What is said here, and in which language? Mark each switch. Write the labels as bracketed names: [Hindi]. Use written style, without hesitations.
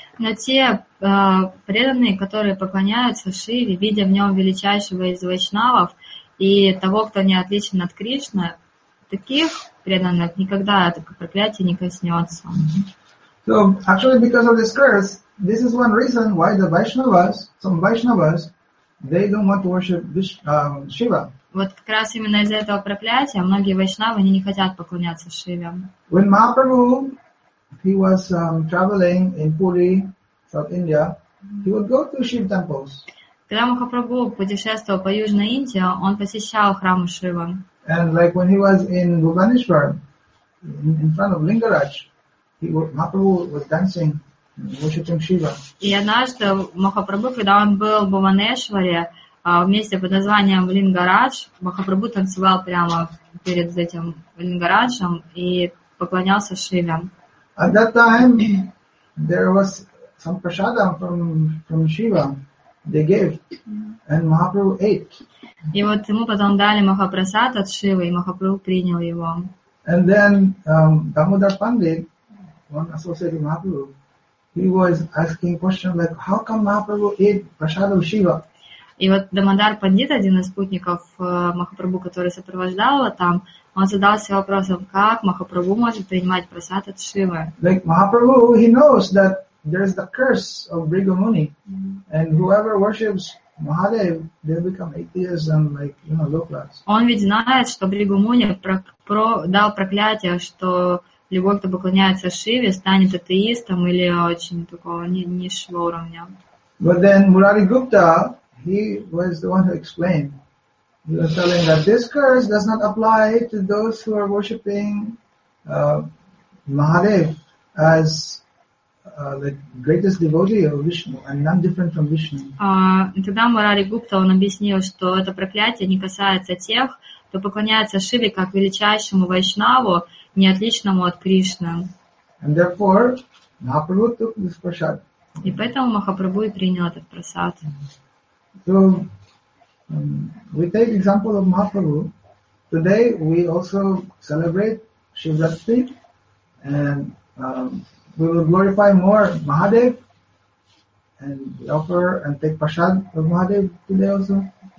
[Russian] Но те преданные, которые поклоняются Шиве, видя в нем величайшего из вайшнавов и того, кто не отличен от Кришны, таких преданных никогда это проклятие не коснется. [English] So, actually, because of this curse, this is one reason why the Vaishnavas, some Vaishnavas, they don't want to worship Shiva. [Russian] вот как раз именно из-за этого проклятия многие вайшнавы, они не хотят поклоняться Шиве. [English] When Mahaprabhu, he was traveling in Puri, South India, he would go to Shiva temples. [Russian] Когда Махапрабху путешествовал по Южной Индии, он посещал храмы Шивы. [English] And like when he was in Bhubaneswar, in front of Lingaraj, Mahaprabhu was dancing, worshiping Shiva. [Russian] И однажды Махапрабху, когда он был в Бхубанешваре, в месте под названием Лингарадж, Махапрабху танцевал прямо перед этим Лингараджем и поклонялся Шиве. [English] At that time, there was some prasadam from Shiva. They gave, and Mahaprabhu ate. [Russian] И вот ему потом дали Махапрасад от Шивы, и Махапрабху принял его. [English] And then Damodar Pandit, one associate of Mahaprabhu, he was asking question like, how come Mahaprabhu ate prasad of Shiva? [Russian] И вот Дамодар Пандит, один из спутников Махапрабху, который сопровождал его там, он задался вопросом, как Махапрабху может принимать прасад от Шивы? [English] Like Mahaprabhu, he knows that there is the curse of Bhriga Muni. And whoever worships Mahadev, they become atheists and like, you know, low class. [Russian] Он ведь знает, что Бригу Муни дал проклятие, что любой, кто поклоняется Шиве, станет атеистом или очень такого низшего уровня. [English] But then Murari Gupta, he was the one who explained. He was telling that this curse does not apply to those who are worshipping Mahadev as the greatest devotee of Vishnu and none different from Vishnu. [Russian] Тогда Мурари Гупта он объяснил, что это проклятие не касается тех, кто поклоняется Шиве как величайшему вайшнаву, не отличному от Кришны. [English] And therefore, Mahaprabhu took this prasad. [Russian] И поэтому Махапрабху и принял этот прасад. [English] So, we take example of Mahaprabhu. Today we also celebrate Shivratri and we will glorify more Mahadev and offer and take prasad of Mahadev today also.